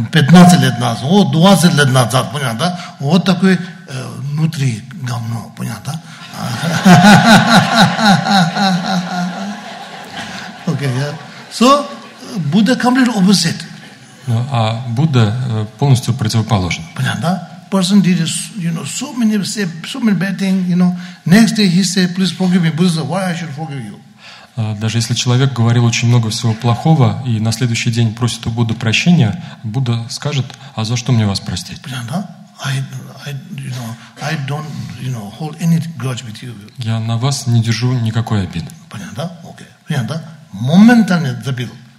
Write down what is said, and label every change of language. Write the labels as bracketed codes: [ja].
[ru] 15 лет назад, 20 лет назад, понятно, да? Вот такой внутри говно, понятно? Окей, да? [en] So, Buddha completely opposite. [ru] А Будда полностью противоположен. Понятно, да? [en] Person did, you know, so many bad things, you know. Next day he said, please forgive me, Buddha, why I should forgive you? [ru] Даже если человек говорил очень много всего плохого и на следующий день просит у Будды прощения, Будда скажет, а за что мне вас простить? Я на вас не держу никакой обиды. Понятно? Окей. Понятно? Моментально забил.